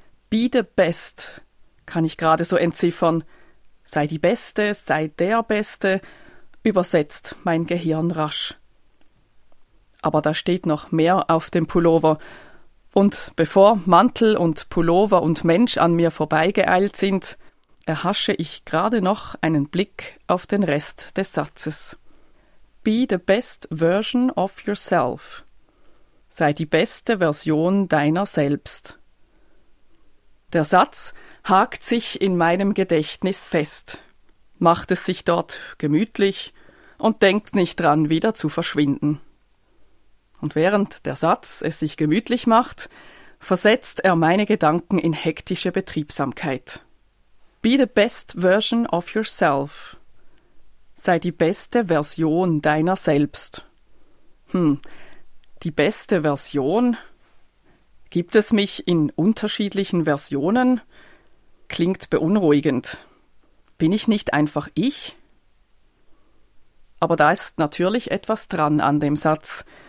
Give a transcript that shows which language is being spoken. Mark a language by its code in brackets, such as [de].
[en] Be the best, [de] kann ich gerade so entziffern. Sei die Beste, sei der Beste, übersetzt mein Gehirn rasch. Aber da steht noch mehr auf dem Pullover. Und bevor Mantel und Pullover und Mensch an mir vorbeigeeilt sind, erhasche ich gerade noch einen Blick auf den Rest des Satzes. [en] Be the best version of yourself. [de] Sei die beste Version deiner selbst. Der Satz hakt sich in meinem Gedächtnis fest, macht es sich dort gemütlich und denkt nicht dran, wieder zu verschwinden. Und während der Satz es sich gemütlich macht, versetzt er meine Gedanken in hektische Betriebsamkeit. [en] Be the best version of yourself. [de] Sei die beste Version deiner selbst. Die beste Version? Gibt es mich in unterschiedlichen Versionen? Klingt beunruhigend. Bin ich nicht einfach ich? Aber da ist natürlich etwas dran an dem Satz.